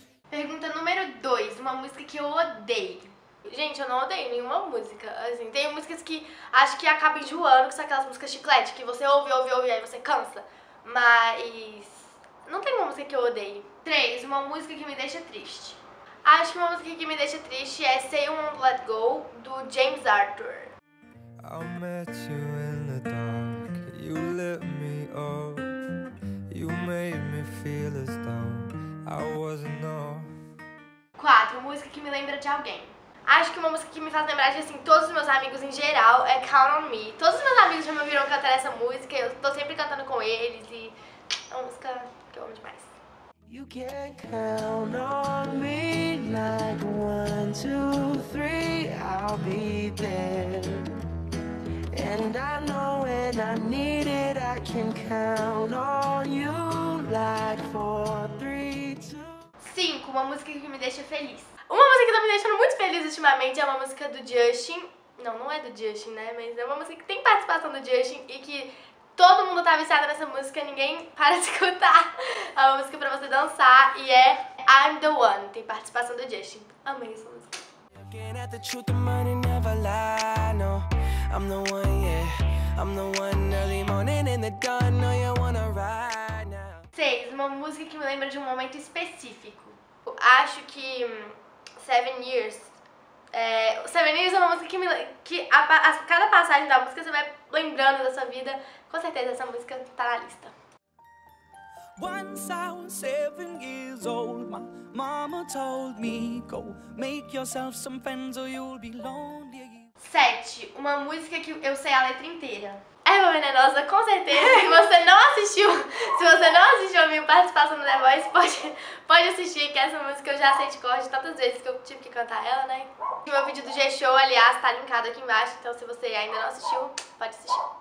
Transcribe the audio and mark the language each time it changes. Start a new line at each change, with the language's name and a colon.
Portuguese: Pergunta número 2, uma música que eu odeio. Gente, eu não odeio nenhuma música, assim, tem músicas que acho que acaba enjoando, que são aquelas músicas chiclete, que você ouve, ouve, ouve, aí você cansa. Mas não tem uma música que eu odeio. 3, uma música que me deixa triste. Acho que uma música que me deixa triste é Say You Won't Let Go, do James Arthur.
English: I met you in the dark, you lit me up. You made me feel as though I wasn't enough.
Portuguese: 4, música que me lembra de alguém. Acho que uma música que me faz lembrar de, assim, todos os meus amigos em geral é Count On Me. Todos os meus amigos já me ouviram cantar essa música, eu tô sempre cantando com eles e é uma música que eu amo demais.
English: You can count on me like 1, 2, 3, I'll be there. And I know when I need it, I can count on you like 4, 3, 2.
Portuguese: 5, uma música que me deixa feliz. Uma música que tá me deixando muito feliz ultimamente é uma música do Justin. Não, não é do Justin, né? Mas é uma música que tem participação do Justin e que todo mundo tá viciado nessa música, ninguém para de escutar. É uma música pra você dançar e é I'm the One. Tem participação do Justin. Amei essa música.
English: Looking at the truth, the money never lie. No, I'm the one, yeah. I'm the one early morning in the dawn. No, you wanna ride now.
Portuguese: 6, uma música que me lembra de um momento específico. Eu acho que Seven Years é uma música que a cada passagem da música você vai lembrando da sua vida. Com certeza essa música tá na lista.
English: Once I was 7 years old, my mama told me, go make yourself some friends or you'll be lonely.
Portuguese: 7, uma música que eu sei a letra inteira. Eva Venenosa, com certeza, se você não assistiu a minha participação no The Voice, pode assistir, que essa música eu já sei de cor de tantas vezes que eu tive que cantar ela, né? O meu vídeo do G-Show, aliás, tá linkado aqui embaixo, então se você ainda não assistiu, pode assistir.